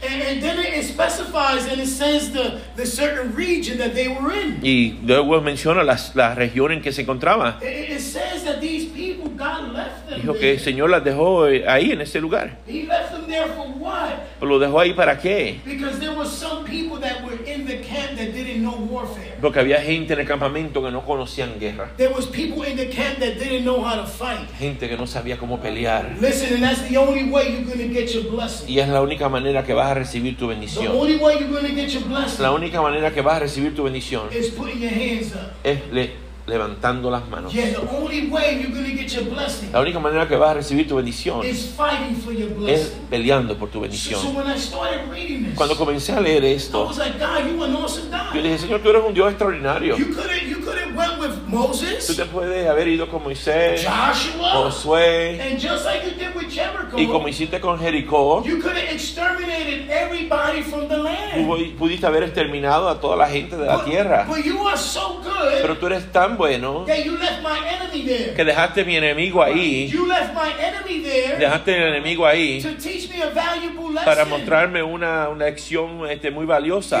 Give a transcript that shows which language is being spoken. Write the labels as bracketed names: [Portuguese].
[English] and then it specifies and it says the certain region that they were in. [Spanish] Y luego menciona la región en que se encontraba. [English] It says that these people, God left them. [Spanish] Dijo que el Señor las dejó ahí en ese lugar. [English] He left them there for what? [Spanish] Pero lo dejó ahí para qué? [English] Because there were some people that were in the camp that didn't know warfare. [Spanish] Porque había gente en el campamento que no conocían guerra. [English] There was people in the camp that didn't know how to fight. [Spanish] Gente que no sabía cómo pelear. [English] Listen, and that's the only way you're going to get your blessing. [Spanish] Y es la única manera que vas a recibir tu bendición. [English] The only way you're going to get your blessing. [Spanish] La única manera que vas a recibir tu bendición. [English] Is putting your hands up. [Spanish] Es le levantando las manos. [English] Yeah, the only way you're gonna get your blessing, [Spanish] la única manera que vas a recibir tu bendición [English] is fighting for your blessing. [Spanish] Es peleando por tu bendición. [English] So when I started reading this, [Spanish] cuando comencé a leer esto, [English] I was like, God, you an awesome God. [Spanish] Yo dije, Señor, tú eres un Dios extraordinario. [English] You could have went with Moses, [Spanish] tú te puedes haber ido con Moisés, [English] Joshua, [Spanish] Josué, [English] and just like you did with Jericho, [Spanish] y como hiciste con Jericó, [English] you could have exterminated everybody from the land. [Spanish] Pudiste haber exterminado a toda la gente de la tierra. [English] But you are so good, [Spanish] pero tú eres tan bueno, [English] that you left my enemy there. [Spanish] Que dejaste mi enemigo ahí. [English] You left my enemy there, [Spanish] dejaste el enemigo ahí. [English] To teach me a valuable lesson. [Spanish] Para mostrarme una lección muy valiosa.